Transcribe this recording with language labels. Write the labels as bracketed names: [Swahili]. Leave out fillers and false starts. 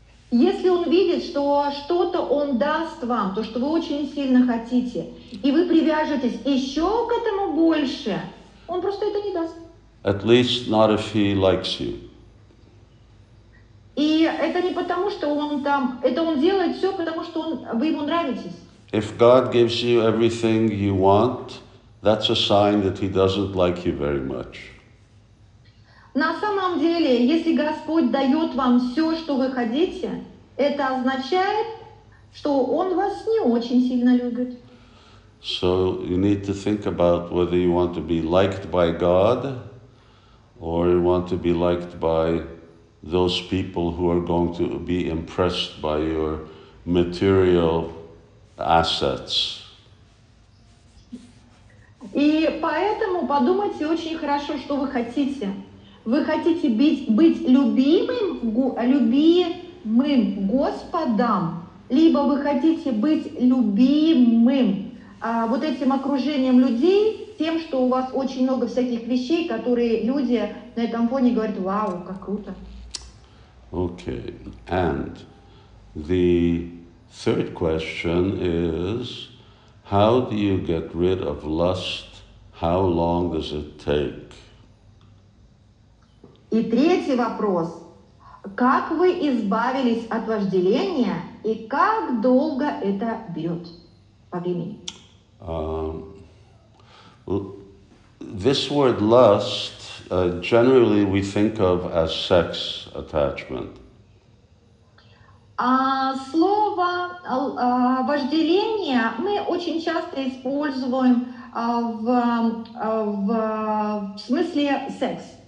[Russian] Если он видит, что что-то он даст вам, то, что вы очень сильно хотите, и вы привяжетесь еще к этому больше, он просто это не даст. [English] At least not if he likes you. [Russian] И это не потому, что он там, это он делает все, потому что он, вы ему нравитесь. [English] If God gives you everything you want, that's a sign that he doesn't like you very much. [Russian] На самом деле, если Господь дает вам все, что вы хотите, это означает, что Он вас не очень сильно любит. [English] So you need to think about whether you want to be liked by God or you want to be liked by those people who are going to be impressed by your material assets. [Russian] И поэтому подумайте очень хорошо, что вы хотите. Вы хотите быть любимым Господом, либо вы хотите быть любимым вот этим окружением людей, тем, что у вас очень много всяких вещей, которые люди на этом фоне говорят: «Вау, как круто!» [English] Okay, and the third question is, how do you get rid of lust? How long does it take? [Russian] И третий вопрос. Как вы избавились от вожделения и как долго это берет по времени? [English] This word lust, generally we think of as sex attachment. [Russian] Слово вожделение мы очень часто используем в смысле секс.